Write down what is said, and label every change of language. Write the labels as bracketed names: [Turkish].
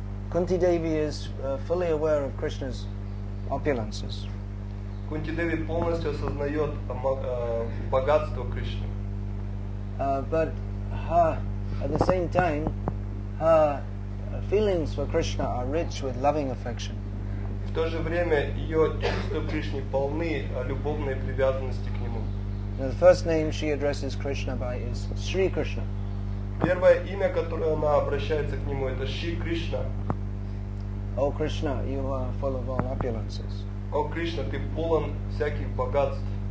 [English] Kunti Devi is fully aware of Krishna's opulences. [Russian] Kunti Devi полностью осознает богатство Кришны. [English] But her, at the same time, her feelings for Krishna are rich with loving affection. [Russian] В то же время ее чувства к Кришне полны любовной привязанности к нему. [English] Now, the first name she addresses Krishna by is Shri Krishna. [Russian] Первое имя, которое она обращается к нему, это Шри Кришна. [English] O Krishna, you are full of all opulences. [Russian] О Кришна, ты полон всяких богатств.